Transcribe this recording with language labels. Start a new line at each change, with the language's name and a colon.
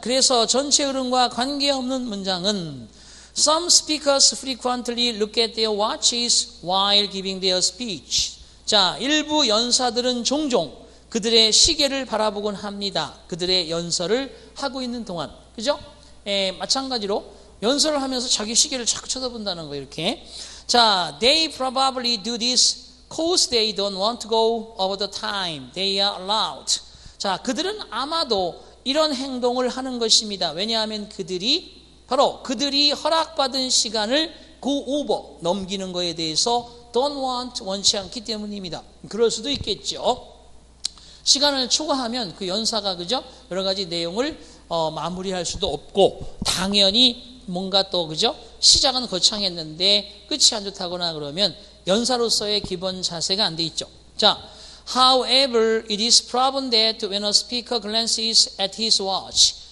Korean: 그래서 전체 흐름과 관계없는 문장은
English: Some speakers frequently look at their watches while giving their speech.
Korean: 자, 일부 연사들은 종종 그들의 시계를 바라보곤 합니다. 그들의 연설을 하고 있는 동안. 그죠? 예, 마찬가지로 연설을 하면서 자기 시계를 자꾸 쳐다본다는 거, 이렇게.
English: 자, they probably do this cause they don't want to go over the time they are allowed.
Korean: 자, 그들은 아마도 이런 행동을 하는 것입니다. 왜냐하면 그들이 바로 그들이 허락받은 시간을
English: go over
Korean: 넘기는 거에 대해서
English: don't want
Korean: 원치 않기 때문입니다. 그럴 수도 있겠죠. 시간을 초과하면 그 연사가 그죠? 여러 가지 내용을 마무리할 수도 없고 당연히 뭔가 또 그죠? 시작은 거창했는데 끝이 안 좋다거나 그러면 연사로서의 기본 자세가 안 돼 있죠.
English: 자, however it is proven that when a speaker glances at his watch.